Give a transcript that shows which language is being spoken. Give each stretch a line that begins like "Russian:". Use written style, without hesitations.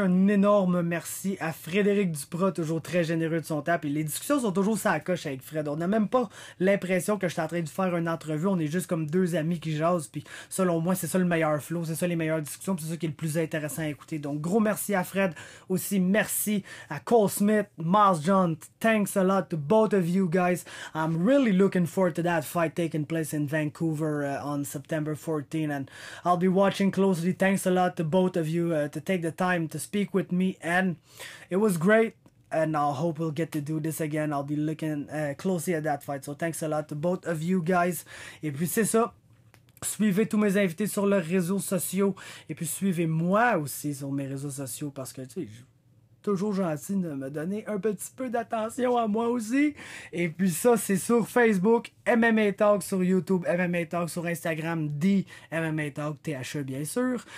French: Un énorme merci à Frédéric Duprat, toujours très généreux de son temps. Puis les discussions sont toujours sur la coche avec Fred. On n'a même pas l'impression que je suis en train de faire une entrevue. On est juste comme deux amis qui jasent. Puis selon moi, c'est ça le meilleur flow. C'est ça les meilleures discussions. Puis c'est ça qui est le plus intéressant à écouter. Donc gros merci à Fred. Aussi merci à Cole Smith, Miles John.
English: Thanks a lot to both of you guys. I'm really looking forward to that fight taking place in Vancouver on September 14. And I'll be watching closely. Thanks a lot to both of you to take the time to speak with me, and it was great, and I hope we'll get to do this again. I'll be looking closely at that fight, so thanks a lot to both of you guys.
French: Et puis c'est ça, suivez tous mes invités sur leurs réseaux sociaux, et puis suivez moi aussi sur mes réseaux sociaux, parce que tu sais, je suis toujours gentil de me donner un petit peu d'attention à moi aussi. Et puis ça, c'est sur Facebook, MMA Talk, sur YouTube, MMA Talk, sur Instagram, D-MMA Talk, T-H-E, bien sûr.